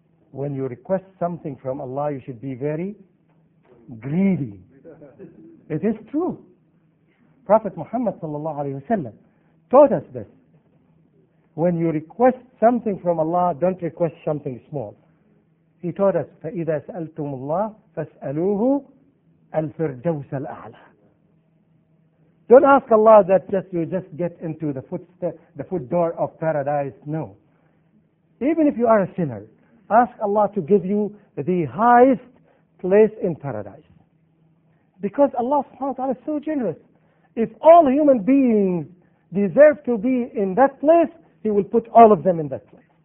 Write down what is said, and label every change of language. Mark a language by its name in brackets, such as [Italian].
[English] When you request something from Allah, you should be very greedy. It is true. Prophet Muhammad sallallahu alayhi wa sallam taught us this. When you request something from Allah, don't request something small. He taught us, [Arabic] فَإِذَا سَأَلْتُمُ اللَّهِ فَاسْأَلُوهُ الْفِرْدَوْسَ الْأَعْلَى. [English] Don't ask Allah that just you just get into the foot door of paradise. No. Even if you are a sinner, ask Allah to give you the highest place in paradise. Because Allah subhanahu wa ta'ala is so generous. If all human beings deserve to be in that place, He will put all of them in that place.